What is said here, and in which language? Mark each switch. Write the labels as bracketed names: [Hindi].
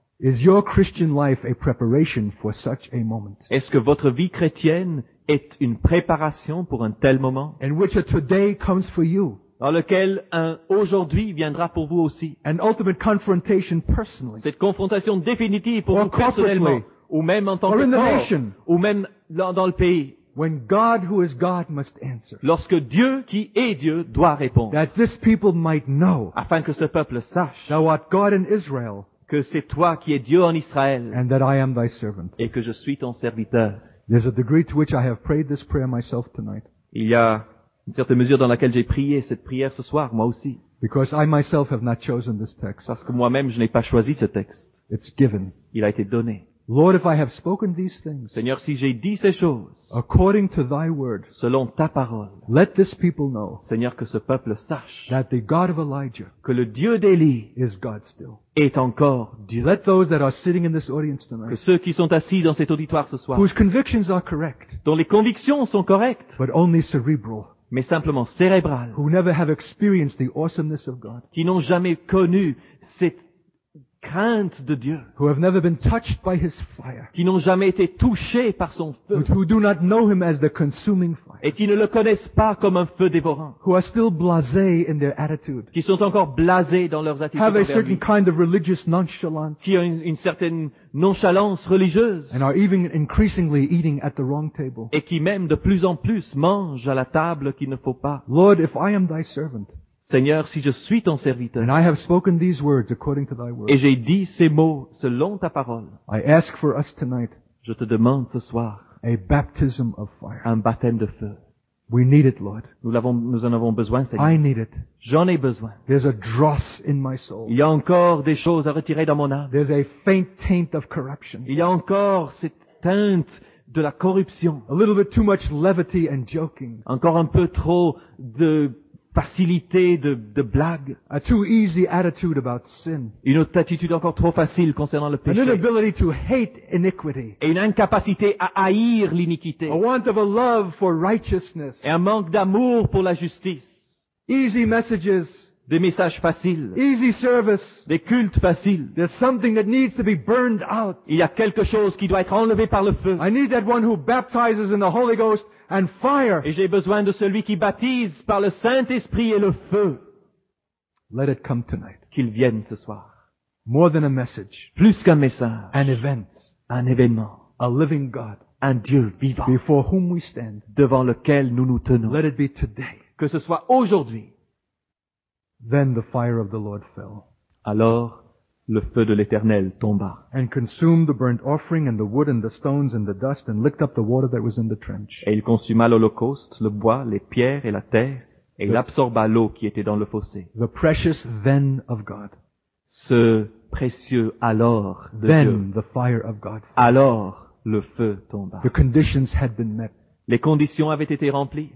[English] Is your Christian life a preparation for such a moment? [French] Est-ce que votre vie chrétienne est une préparation pour un tel moment? [English] And which a today comes for you. [French] Dans lequel un aujourd'hui viendra pour vous aussi. [English] An ultimate confrontation personally. [French] Cette confrontation définitive pour vous personnellement. Ou même en tant [English] or [French] que [English] in the nation. [French] Ou même dans le pays. [English] When God, who is God, must answer. [French] Lorsque Dieu, qui est Dieu, doit répondre. [English] That this people might know. [French] Afin que ce peuple sache. [English] Thou art God in Israel. [French] Que c'est toi qui es Dieu en Israël. [English] And that I am thy servant. [French] Et que je suis ton serviteur. [English] There's a degree to which I have prayed this prayer myself tonight. [French] Il y a une certaine mesure dans laquelle j'ai prié cette prière ce soir, moi aussi. [English] Because I myself have not chosen this text. [French] Parce que moi-même, je n'ai pas choisi ce texte. [English] It's given. [French] Il a été donné. [English] Lord, if I have spoken these things, [French] Seigneur, si j'ai dit ces choses, [English] according to thy word, [French] selon ta parole, [English] let this people know, [French] Seigneur, que ce peuple sache, [English] that the God of Elijah, [French] que le Dieu d'Élie, [English] is God still, [French] est encore Dieu. [English] Let those that are sitting in this audience tonight, [French] que ceux qui sont assis dans cet auditoire ce soir, [English] whose convictions are correct, [French] dont les convictions sont correctes, [English] but only cerebral, [French] mais simplement cérébrales, [English] who never have experienced the awesomeness of God, [French] qui n'ont jamais connu cette crainte de Dieu, [English] who have never been touched by his fire, [French] qui n'ont jamais été touchés par son feu, [English] who do not know him as the consuming fire, [French] et qui ne le connaissent pas comme un feu dévorant, [English] who are still blasés in their attitude, [French] qui sont encore blasés dans leurs attitudes, [English] have a certain kind of religious nonchalance, [French] qui ont une certaine nonchalance religieuse, [English] and are even increasingly eating at the wrong table, [French] et qui même de plus en plus mangent à la table qu'il ne faut pas. [English] Lord, if I am thy servant, [French] Seigneur, si je suis ton serviteur, [English] and I have spoken these words according to thy word, [French] et j'ai dit ces mots selon ta parole, [English] I ask for us tonight, [French] je te demande ce soir, [English] a baptism of fire, [French] un baptême de feu. [English] We need it, Lord. [French] Nous en avons besoin, Seigneur. [English] I need it. [French] J'en ai besoin. [English] There's a dross in my soul. [French] Il y a encore des choses à retirer dans mon âme. [English] There's a faint taint of corruption. [French] Il y a encore cette teinte de la corruption. [English] A little bit too much levity and joking. [French] Encore un peu trop de facilité de blague. [English] A too easy attitude about sin. [French] Une attitude encore trop facile concernant le péché. [English] An inability to hate iniquity. [French] Et une incapacité à haïr l'iniquité. [English] A want of a love for righteousness. [French] Et un manque d'amour pour la justice. [English] Easy messages. [French] Des messages faciles. [English] Easy service. [French] Des cultes faciles. [English] There's something that needs to be burned out. [French] Il y a quelque chose qui doit être enlevé par le feu. [English] I need that one who baptizes in the Holy Ghost and fire. [French] Et j'ai besoin de celui qui baptise par le Saint-Esprit et le feu. [English] Let it come tonight. [French] Qu'il vienne ce soir. [English] More than a message. [French] Plus qu'un message. [English] An event. [French] Un événement. [English] A living God. [French] Un Dieu vivant. [English] Before whom we stand. [French] Devant lequel nous nous tenons. [English] Let it be today. [French] Que ce soit aujourd'hui. [English] Then the fire of the Lord fell. [French] Alors, le feu de l'Éternel tomba. [English] And consumed the burnt offering and the wood and the stones and the dust and licked up the water that was in the trench. [French] Et il consuma l'holocauste, le bois, les pierres et la terre, et il absorba l'eau qui était dans le fossé. [English] The precious then of God. [French] Ce précieux alors de [English] then [French] Dieu. [English] Then the fire of God fell. [French] Alors, le feu tomba. [English] The conditions had been met. [French] Les conditions avaient été remplies.